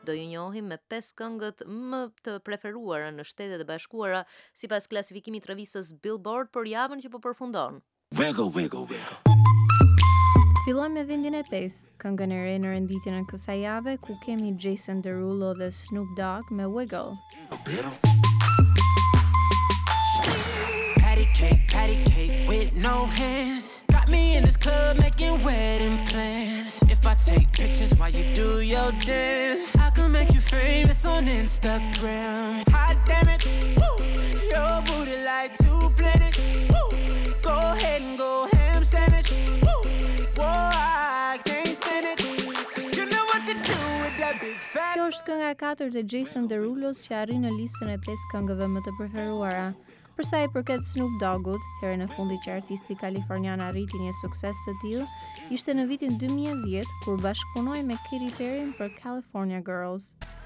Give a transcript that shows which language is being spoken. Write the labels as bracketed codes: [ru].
[sq] Do ju njohim me 5 këngët më të preferuara në Shtetet e Bashkuara sipas klasifikimit të revistës Billboard për javën që po përfundon. Fillojmë me vendin e 5, këngën e re në renditjen e kësaj jave ku kemi Jason Derulo dhe Snoop Dogg me Wiggle. [en] Patty cake with no hands. Got me in this club making wedding plans. If I take pictures while you do your dance, I can make you famous on Instagram. Hot damn it, woo! Your booty like two planets. Woo! Go ahead and go ham sandwich. Woo! Whoa, I can't stand it. 'Cause you know what to do with that big fat. [sq] Kjo është kënga 4 të Jason Derulo's që arrin në listën e 5 këngëve më të preferuara. Përsa i përket Snoop Doggut, herën e fundit që artisti kalifornian arriti një sukses të tillë, ishte në vitin 2010 kur bashkëpunoi me Katy Perry për California Girls.